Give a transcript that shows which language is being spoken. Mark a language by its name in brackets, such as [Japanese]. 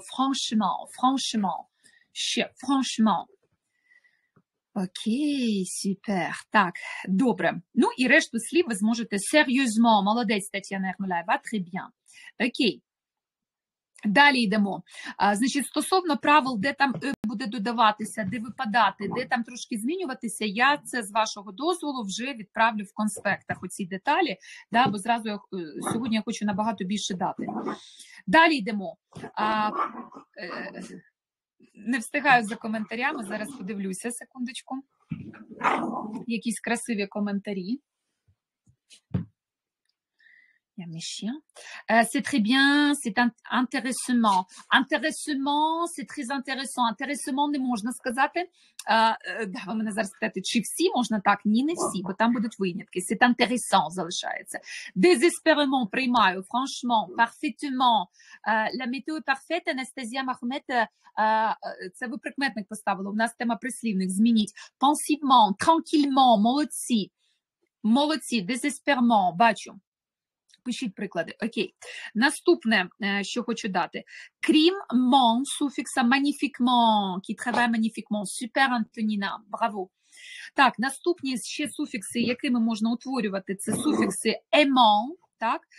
[Ukrainian] Франшемон, Ще, франшемон. Окей, супер. Так, добре. Ну і решту слів ви зможете. Серйозно. Молодець, Тетяна Ермолаєва. [French] Très bien. [Ukrainian] Окей. Далі йдемо. Значить, стосовно правил, де там буде додаватися, де випадати, де там трошки змінюватися, я це з вашого дозволу вже відправлю в конспектах оці деталі, да, бо зразу я, сьогодні я хочу набагато більше дати. Далі йдемо. Не встигаю за коментарями, зараз подивлюся, секундочку. Якісь красиві коментарі. Я мішін. [French] C'est très bien, c'est intéressant. Intéressant, c'est très intéressant. [Ukrainian] Intéressant не можна сказати. Да, ви мене зараз питаєте, чи всі можна так? Ні, не всі, бо там будуть винятки. [French] C'est intéressant [Ukrainian] залишається. [French] Désespérément [Ukrainian] приймаю, [French] franchement, parfaitement. La météo est parfaite, [Ukrainian] Anastasia Mahomet, це ви прикметник поставили, у нас тема прислівник, змініть. [French] Pensivement, tranquillement, [Ukrainian] молодці. Молодці, désespérément, бачу. Пишіть приклади. Окей. Наступне, що хочу дати. Крім «мон» суфікса [French] «magnifiquement», «qui travaille magnifiquement», «super Антоніна», [Ukrainian] «браво». Так, наступні ще суфікси, якими можна утворювати, це суфікси «aimant», так?